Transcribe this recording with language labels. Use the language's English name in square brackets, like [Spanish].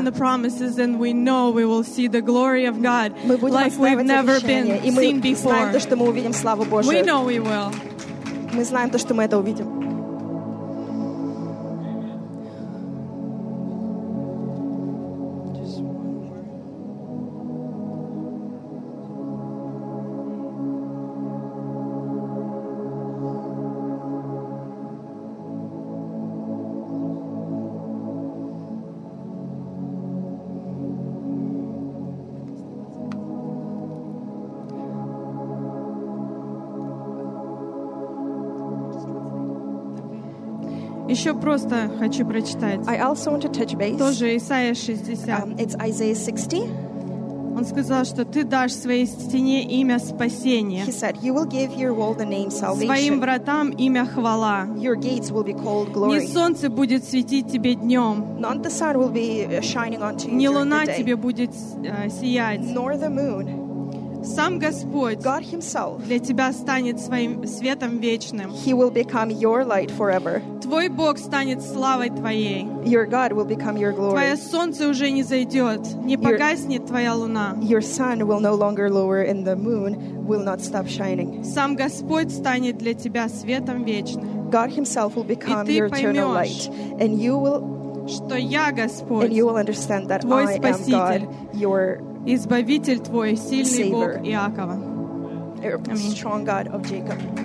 [English] On the promises, and we know we will see the glory of God like we've never been seen before. [Russian] Знаем то, что мы увидим славу Божию. [English] We know we will. [Russian] Мы знаем то, что мы это увидим. Еще просто хочу прочитать. [English] I also want to touch base. [Russian] Тоже Исаия 60. [English] It's Isaiah 60. [Russian] Он сказал, что ты дашь своей стене имя спасения. [English] He said, you will give your wall the name salvation. [Russian] Своим вратам имя хвала. [English] Your gates will be called glory. [Russian] Не солнце будет светить тебе днем. [English] Not the sun will be shining onto you. [Russian] Не луна тебе будет сиять. [English] Nor the moon. [Russian] Сам Господь для тебя станет своим светом вечным. [English] He will become your light forever. [Russian] Твой Бог станет славой твоей. [English] Your God will become your glory. [Russian] Твое солнце уже не зайдет, не погаснет твоя луна. [English] Your sun will no longer lower and the moon will not stop shining. [Russian] Сам Господь станет для тебя светом вечным. [English] God himself will become your eternal light. And you will, [Russian] что я Господь, [English] and you will understand that [Russian] твой [English] I [Russian] спаситель, [English] am God, your [Russian] Избавитель твой, сильный [English] Saver. [Russian] Бог Иакова. [English] Strong God of Jacob.